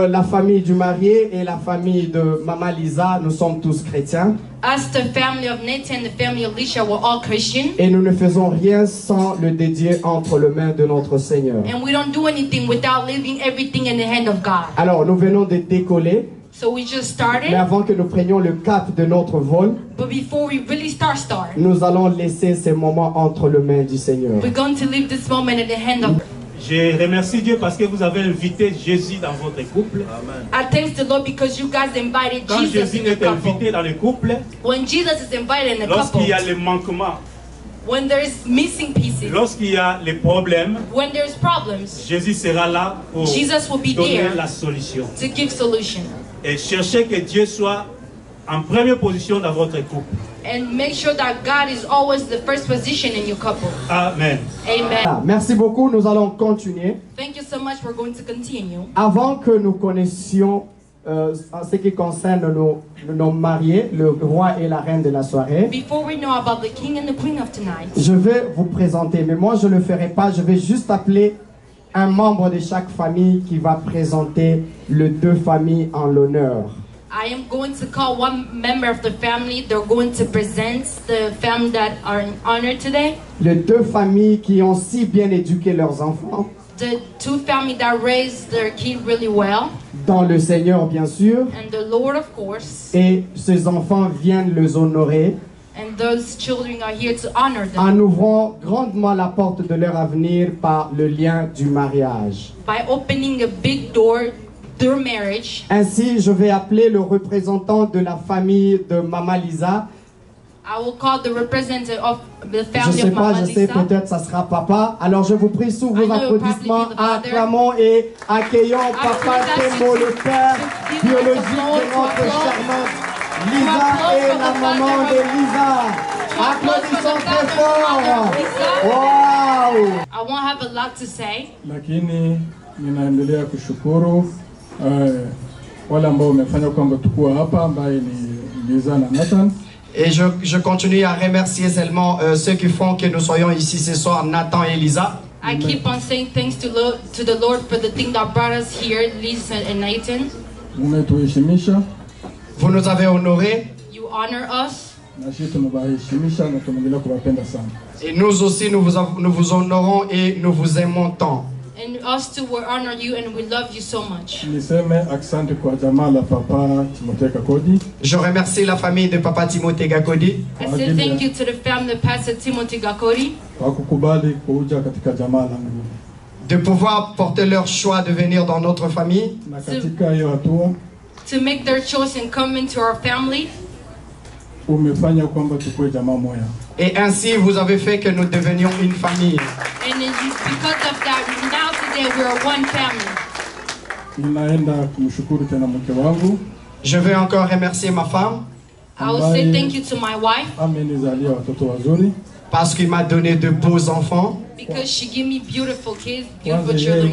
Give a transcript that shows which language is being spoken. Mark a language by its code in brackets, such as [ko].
[fr] Famille du marié et la famille de Mama Lisa, nous sommes tous chrétiens. [en] As the family of Nathan and the family of Alicia were all Christian. [fr] Et nous ne faisons rien sans le dédier entre les mains de notre Seigneur. [en] And we don't do anything without leaving everything in the hand of God. [fr] Alors nous venons de décoller. [en] So we just started. [fr] Mais avant que nous prenions le cap de notre vol, [en] but before we really start, [fr] nous allons laisser ces moments entre les mains du Seigneur. [en] We're going to leave this moment in the hand of. [fr] Je remercie Dieu parce que vous avez invité Jésus dans votre couple. [en] Amen. I thank the Lord because you guys invited Jesus. [fr] Quand Jésus est invité dans le couple, [en] when Jesus is invited in the couple, [fr] lorsqu'il y a les manquements, [en] when there is missing pieces, [fr] lorsqu'il y a les problèmes, [en] when there is problems, [fr] Jésus sera là pour [en] Jesus will be [fr] donner [en] there [fr] la solution. [en] To give solution. [fr] Et cherchez que Dieu soit en première position dans votre couple. [en] And make sure that God is always the first position in your couple. Amen. Amen. [fr] Merci beaucoup. Nous allons continuer. [en] Thank you so much. We're going to continue. [fr] Avant que nous connaissions en ce qui concerne nos mariés, le roi et la reine de la soirée, [en] before we know about the king and the queen of tonight, [fr] je vais vous présenter, mais moi je ne le ferai pas. Je vais juste appeler un membre de chaque famille qui va présenter les deux familles en l'honneur. [en] I am going to call one member of the family. They're going to present the family that are in honor today. [fr] Les deux familles qui ont si bien éduqué leurs enfants. [en] the two family that raised their kid really well. [fr] Dans le Seigneur, bien sûr. [en] And the Lord, of course. [fr] Et ses enfants viennent les honorer. [en] And those children are here to honor them. [fr] En ouvrant grandement la porte de leur avenir par le lien du mariage. [en] By opening a big door their marriage. [fr] Ainsi, je vais appeler le représentant de la famille de Mama Lisa. [en] I will call the representative of the family [fr] je sais pas, [en] of Mama [fr] je sais, [en] Lisa. [fr] Peut-être ça sera papa. Alors je vous prie, sous vos applaudissements, acclamons et accueillons papa Temo, le père biologique de notre charmante Lisa et la maman de Lisa. Applaudissons très fort. Wow. [en] I won't have a lot to say. [sw] Lakini ninaendelea kushukuru wale ambao wamefanya kwamba tukua hapa ambaye ni Lisa na Nathan. [fr] Et je continue à remercier seulement ceux qui font que nous soyons ici ce soir, Nathan et Lisa. [en] I keep on saying thanks to the Lord for the thing that brought us here, Lisa and Nathan. Vous m'étoyez-misha. [fr] Vous nous avez honorés. [en] You honor us. [fr] Et nous aussi, nous vous honorons et nous vous aimons tant. [en] And us too, we honor you and we love you so much. [sw] Niseme asante kwa jamaa la papa Timothy Kakodi. [fr] Je remercie la famille de papa Timothy Kakodi. [en] I say thank you to the family of Pastor Timothy Kakodi. [sw] Kwa kukubali kuja katika jamaa langu. [fr] De pouvoir porter leur choix de venir dans notre famille. [sw] Na katika hiyo hatua. [en] To make their choice and come into our family. [sw] Umefanya kwamba tukue jamaa moja. [fr] Et ainsi, vous avez fait que nous devenions une famille. [en] And because of that, now today we are one family. [sw] Ninaenda kumshukuru tena mke wangu. [fr] Je vais encore remercier ma femme. [en] I will say thank you to my wife. [sw] Amenizalia watoto wazuri. [fr] Parce qu'il m'a donné de beaux enfants. [en] Because she gave me beautiful kids, beautiful children.